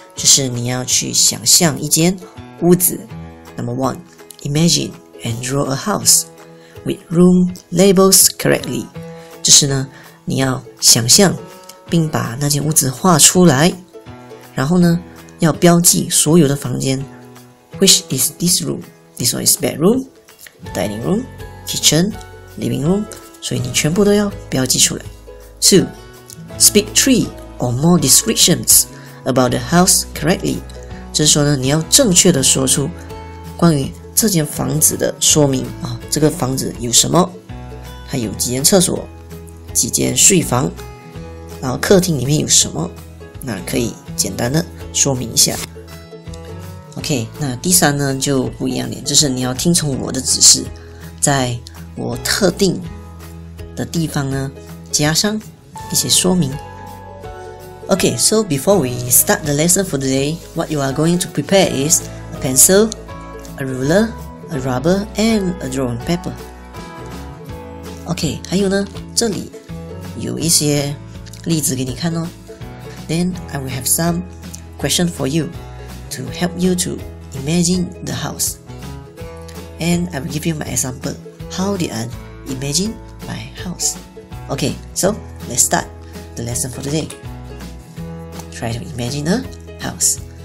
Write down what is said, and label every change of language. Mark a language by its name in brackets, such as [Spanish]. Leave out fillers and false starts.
[Chinese] 就是你要去想象一间屋子。 [English] Number 1, imagine and draw a house with room labels correctly. [Chinese] 就是呢，你要想象并把那间屋子画出来，然后呢，要标记所有的房间。 [English] Which is this room? This one is bedroom, dining room, kitchen, living room. [Chinese] 所以你全部都要标记出来。 [English] 2. Speak 3 or more descriptions about the house correctly. [Chinese] 这是说呢，你要正确的说出关于这间房子的说明啊，这个房子有什么？它有几间厕所？几间睡房？然后客厅里面有什么？那可以简单的说明一下。 OK, 那第三呢就不一样点，就是你要听从我的指示，在我特定的地方呢加上一些说明。 [English] OK, so before we start the lesson for today, what you are going to prepare is a pencil, a ruler, a rubber, and a drawing paper. [Chinese] OK, 还有呢，这里有一些例子给你看哦。 [English] Then I will have some question for you to help you to imagine the house. And I will give you my example. How did I imagine my house? Okay, so let's start the lesson for today. Try to imagine a house.